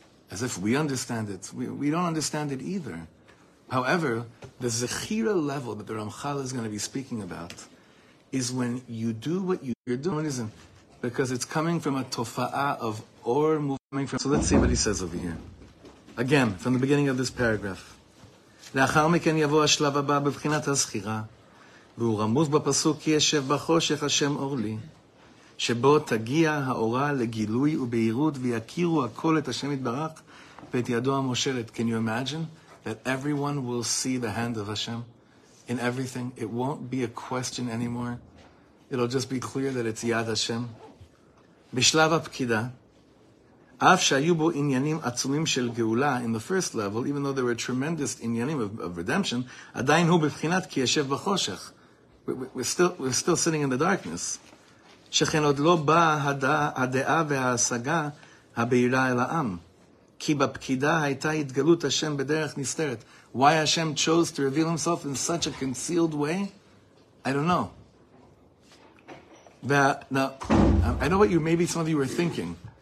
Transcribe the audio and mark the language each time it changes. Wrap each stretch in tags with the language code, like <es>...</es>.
<en>As if we understand it. We don't understand it either. However, the zechira level that the Ramchal is going to be speaking about is when you do what you're doing, isn't it? Because it's coming from a tofa'ah of or moving from. So let's see what he says over here. Again, from the beginning of this paragraph.</en> <he>לאחר מכן יבוא השלב הבא בבחינת הזכירה, והוא רמוז בפסוק כי ישב בחושך השם אור לי, שבו תגיע האורה לגילוי ובהירות ויכירו הכל את השם יתברך ואת ידו המושלת.</he> <en>Can you imagine that everyone will see the hand of Hashem in everything? It won't be a question anymore. It'll just be clear that it's Yad Hashem.</en> <he>בשלב הפקידה, אף שהיו בו עניינים עצומים של גאולה,</he> <en>in the first level, even though there were tremendous</en> <he>עניינים</he> <en>of redemption,</en> <he>עדיין הוא בבחינת כי ישב בחושך.</he> <en>We're still sitting in the darkness.</en> <he>שכן עוד לא באה הדעה וההשגה הבהירה אל העם. כי בפקידה הייתה התגלות השם בדרך נסתרת.</he> <en>Why Hashem chose to reveal himself in such a concealed way? I don't know. Now, I know what you, maybe some of you were thinking.</en>